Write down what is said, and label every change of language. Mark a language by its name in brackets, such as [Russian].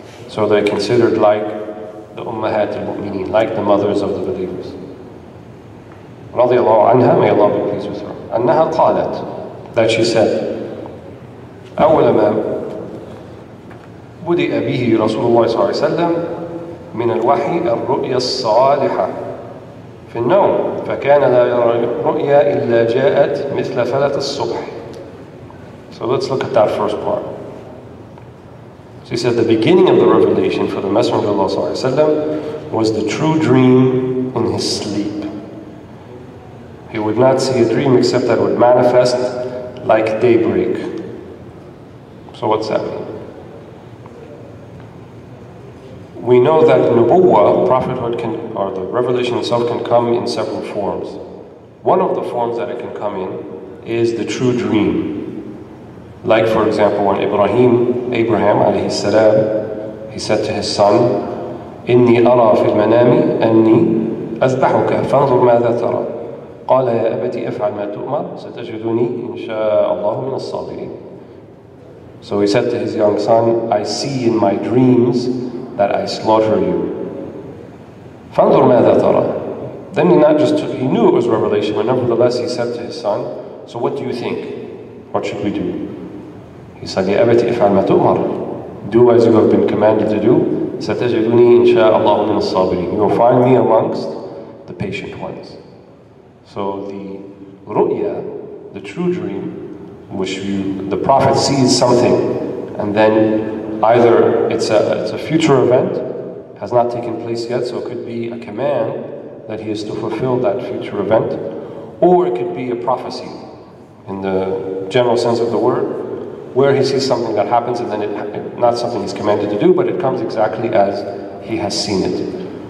[English] So they're considered like the ummahat al-mu'mineen, like the mothers of the believers. Radiallahu anha, may Allah be pleased with her. [Arabic] Annaha qalat, [English] that she said, [Arabic] أول ما بدأ به رسول الله صلى الله عليه وسلم من الوحي الرؤيا الصالحة في النوم فكان لا يرى رؤيا إلا جاءت مثل فلت الصبح. [English] So let's look at that first part. She said the beginning of the revelation for the Messenger of Allah ﷺ was the true dream in his sleep. He would not see a dream except that it would manifest like daybreak. So what's that mean? We know that Nubuwwah, prophethood, can, or the revelation itself, can come in several forms. One of the forms that it can come in is the true dream. Like, for example, when Abraham alayhi salam, he said to his son, [Arabic] إِنِّي أَرَى فِي الْمَنَامِ أَنِّي أَذْبَحُكَ فَانْظُرْ مَاذَا تَرَى. قال يا أبتي افعل ما تؤمر ستجدني إن شاء الله من الصابرين. [English] So he said to his young son, I see in my dreams that I slaughter you. [Arabic] فانظر ماذا ترى. [English] Then he knew it was revelation, but nevertheless he said to his son, So what do you think? What should we do? He said, [Arabic] يا أبتي افعل ما تؤمر. [English] Do as you have been commanded to do. [Arabic] ستجدني إن شاء الله من الصابرين. [English] You will find me amongst the patient ones. So the ru'ya, the true dream, which you, the prophet sees something, and then either it's a future event, has not taken place yet, so it could be a command that he is to fulfill that future event, or it could be a prophecy, in the general sense of the word, where he sees something that happens, and then not something he's commanded to do, but it comes exactly as he has seen it.